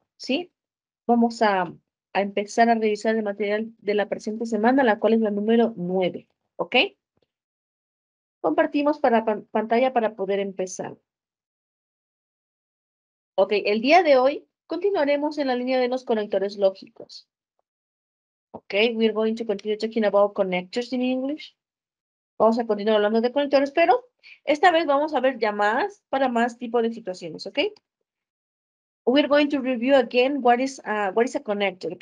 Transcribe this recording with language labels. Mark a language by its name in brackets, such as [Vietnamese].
[Spanish] Sí, vamos a empezar a revisar el material de la presente semana, la cual es la número 9, ¿ok? Compartimos para pa pantalla para poder empezar. Ok, el día de hoy continuaremos en la línea de los conectores lógicos. [English] Ok, we're going to continue talking about connectors in English. [Spanish] Vamos a continuar hablando de conectores, pero esta vez vamos a ver llamadas para más tipo de situaciones, ¿ok? [English] We're going to review again what is a connector.